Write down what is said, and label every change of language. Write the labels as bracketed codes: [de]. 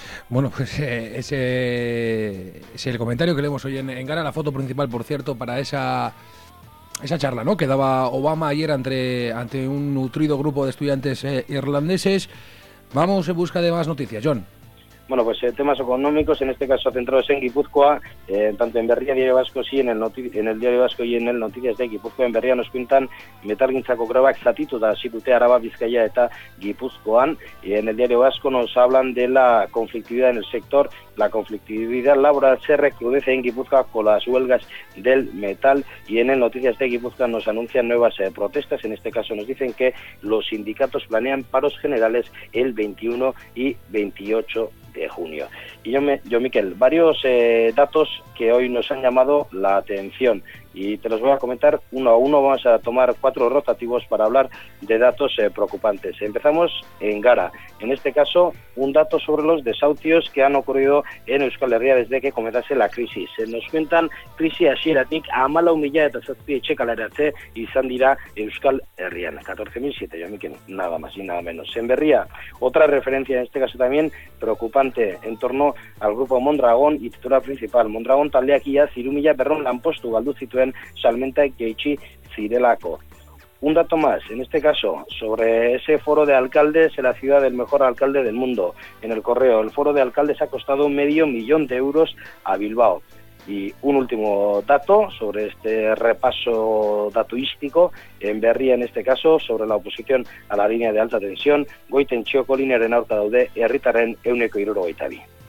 [es] Bueno, pues ese es el comentario que leemos hoy en Gara, la foto principal, por cierto, para esa charla, ¿no?, que daba Obama ayer ante un nutrido grupo de estudiantes irlandeses. Vamos en busca de más noticias, John. Bueno, pues temas económicos, en este caso centrados en Guipúzcoa, tanto en Berria, Diario Vasco, sí, en el Diario Vasco y en el Noticias de Guipúzcoa. En Berria nos cuentan [eu] Metalgintzako grebak zatituta hasi dute Araba, Bizkaia eta Guipúzcoan. [es] Y en el Diario Vasco nos hablan de la conflictividad en el sector. La conflictividad laboral se recrudece en Guipúzcoa con las huelgas del metal. Y en el Noticias de Guipúzcoa nos anuncian nuevas protestas. En este caso nos dicen que los sindicatos planean paros generales el 21 y 28 de junio. Y yo Miquel, varios datos que hoy nos han llamado la atención y te los voy a comentar uno a uno. Vamos a tomar cuatro rotativos para hablar de datos preocupantes. Empezamos en Gara. En este caso, un dato sobre los desahucios que han ocurrido en Euskal Herria desde que comenzase la crisis. Se nos cuentan [eu] crisis hasieratik 14.007 etxekaleratze izan dira Euskal Herrian. [es] 14.007, yo me quedo, nada más y nada menos. En Berria, otra referencia en este caso también preocupante en torno al grupo Mondragón y titular principal. [eu] Mondragón taldeak ia 3.200 lanpostu galdu zituen salmenta jaitsi zirelako. [es] Un dato más, en este caso, sobre ese foro de alcaldes en la ciudad del mejor alcalde del mundo. En el correo, el foro de alcaldes ha costado €500.000 a Bilbao. Y un último dato sobre este repaso datuístico, en Berria, en este caso, sobre la oposición a la línea de alta tensión, [eu] Goitentxeoko linearen aurka daude herritarren 162%.